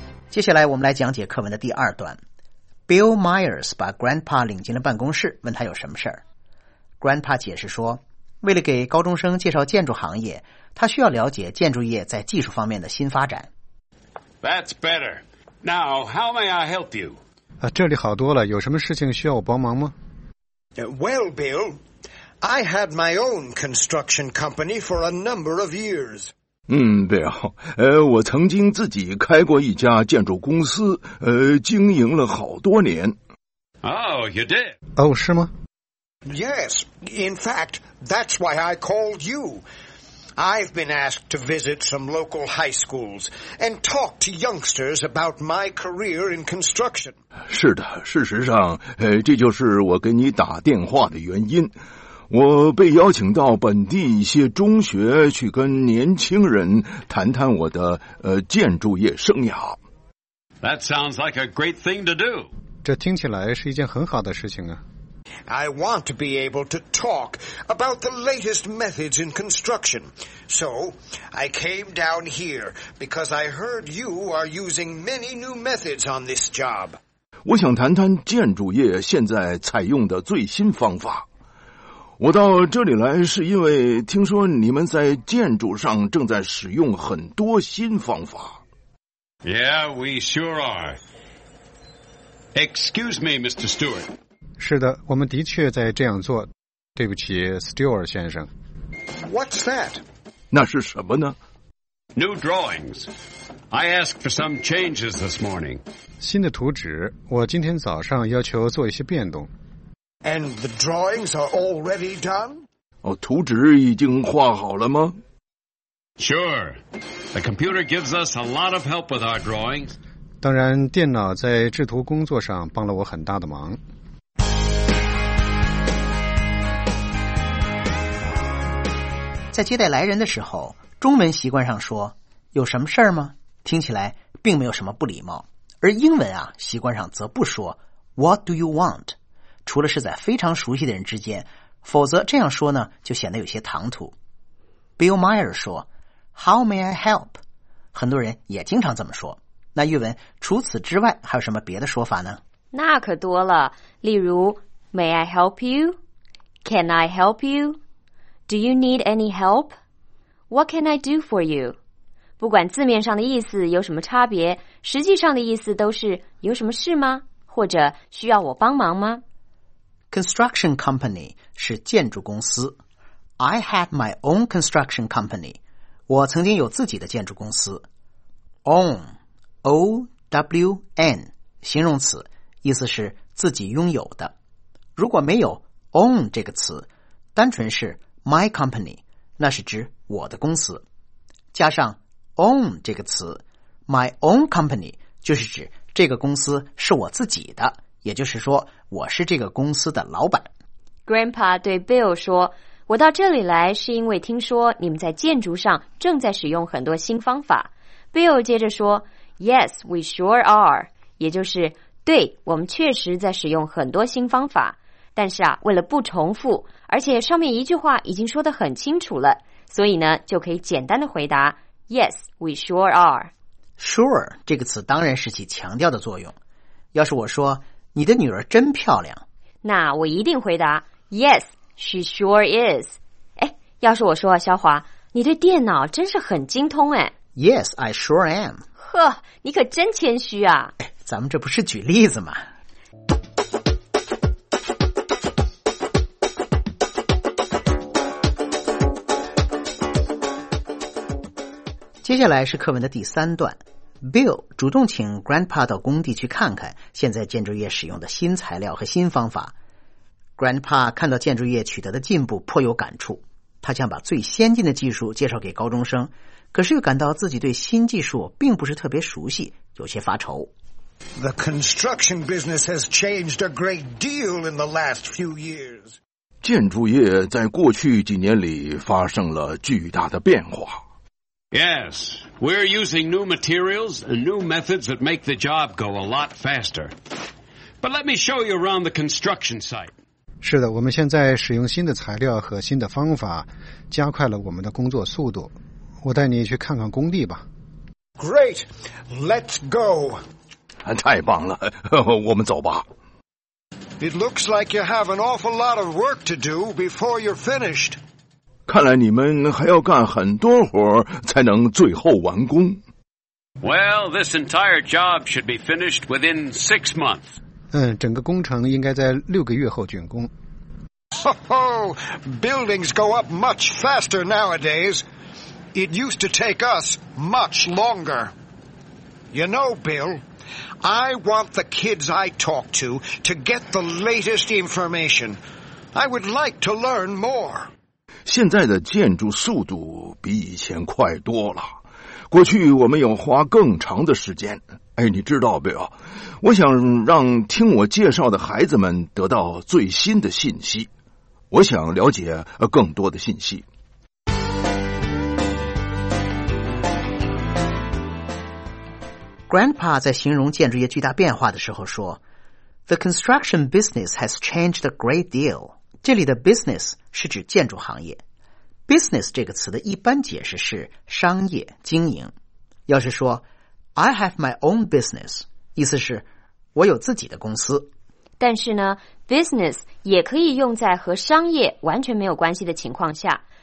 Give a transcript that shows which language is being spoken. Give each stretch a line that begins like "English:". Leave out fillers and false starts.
Chinese: 接下来我们来讲解课文的第二段。Bill Myers 把 Grandpa 领进了办公室，问他有什么事儿。 Grandpa 解释说，为了给高中生介绍建筑行业，他需要了解建筑业在技术方面的新发展。
English: That's better. Now, how may I help you?
Chinese: 这里好多了，有什么事情需要我帮忙吗？
English: Well, Bill, I had my own construction company for a number of years.
Chinese: Bill, 我曾经自己开过一家建筑公司，经营了好多年。
English: Oh, you did?
Chinese: 哦，是吗？
English: Yes, in fact, that's why I called you. I've been asked to visit some local high schools and talk to youngsters about my career in construction.
Chinese: 是的，事实上，这就是我给你打电话的原因。我被邀请到本地一些中学去跟年轻人谈谈我的建筑业生涯。
English: That sounds like a great thing to do.
Chinese: 这听起来是一件很好的事情啊。
English: I want to be able to talk about the latest methods in construction. So, I came down here because I heard you are using many new methods on this job.
Chinese: 我想谈谈建筑业现在采用的最新方法。我到这里来是因为听说你们在建筑上正在使用很多新方法。
English: Yeah, we sure are. Excuse me, Mr. Stewart.
Chinese: 是的，我们的确在这样做。对不起 ，Stewart 先生。
English: What's that?
Chinese: 那是什么呢
English: ？New drawings. I asked for some changes this morning.
Chinese: 新的图纸，我今天早上要求做一些变动。
English: And the drawings are already done?
Chinese: 哦，图纸已经画好了吗
English: ？Sure. The computer gives us a lot of help with our drawings.
Chinese: 当然，电脑在制图工作上帮了我很大的忙。在接待来人的时候，中文习惯上说有什么事儿吗，听起来并没有什么不礼貌，而英文啊习惯上则不说
English: What do you want，
Chinese: 除了是在非常熟悉的人之间，否则这样说呢就显得有些唐突。 Bill Meyer 说
English: How may I help，
Chinese: 很多人也经常这么说。那玉文，除此之外还有什么别的说法呢？那可多了，例如
English: May I help you， Can I help youDo you need any help? What can I do for you?
Chinese: 不管字面上的意思有什么差别，实际上的意思都是有什么事吗？或者需要我帮忙吗？ Construction company 是建筑公司。
English: I had my own construction company.
Chinese: 我曾经有自己的建筑公司。Own, O-W-N, 形容词，意思是自己拥有的。如果没有 own 这个词，单纯是My company， 那是指我的公司，加上 own 这个词，
English: my own company
Chinese: 就是指这个公司是我自己的，也就是说我是这个公司的老板。 Grandpa 对 Bill 说，我到这里来是因为听说你们在建筑上正在使用很多新方法。 Bill 接着说
English: Yes, we sure are，
Chinese: 也就是对，我们确实在使用很多新方法。但是啊，为了不重复，而且上面一句话已经说得很清楚了，所以呢，就可以简单的回答
English: Yes, we sure are.
Chinese: Sure 这个词当然是起强调的作用。要是我说你的女儿真漂亮，那我一定回答
English: Yes, she sure is.
Chinese: 哎，要是我说肖华，你对电脑真是很精通哎。
English: Yes, I sure am.
Chinese: 呵，你可真谦虚啊。哎，咱们这不是举例子吗？接下来是课文的第三段。Bill 主动请 Grandpa 到工地去看看现在建筑业使用的新材料和新方法。 Grandpa 看到建筑业取得的进步颇有感触，他想把最先进的技术介绍给高中生，可是又感到自己对新技术并不是特别熟悉，有些发愁。
English: The construction business has changed a great deal in the last few years.
Chinese: 建筑业在过去几年里发生了巨大的变化。
English: Yes, we're using new materials and new methods that make the job go a lot faster. But let me show you around the construction site.
Chinese: 是的，我们现在使用新的材料和新的方法，加快了我们的工作速度。我带你去看看工地吧。
English: Great, let's go.
Chinese: 太棒了，我们走吧。
English: It looks like you have an awful lot of work to do before you're finished.
Chinese: 看来你们还要干很多活才能最后完工。
English: Well, this entire job should be finished within 6 months.
Chinese: 整个工程应该在6个月后竣工。 Ho ho!
English: Buildings go up much faster nowadays. It used to take us much longer. You know, Bill... I want the kids I talk to get the latest information. I would like to learn more.
Chinese: 现在的建筑速度比以前快多了。过去我们要花更长的时间。哎，你知道不？我想让听我介绍的孩子们得到最新的信息。我想了解更多的信息。 Grandpa 在形容建筑业巨大变化的时候说
English: The construction business has changed a great deal.
Chinese: 这里的 business 是指建筑行业。Business 这个词的一般解释是商业、经营。要是说
English: I have my own business,
Chinese: 意思是我有自己的公司。但是呢 business 也可以用在和商业完全没有关系的情况下。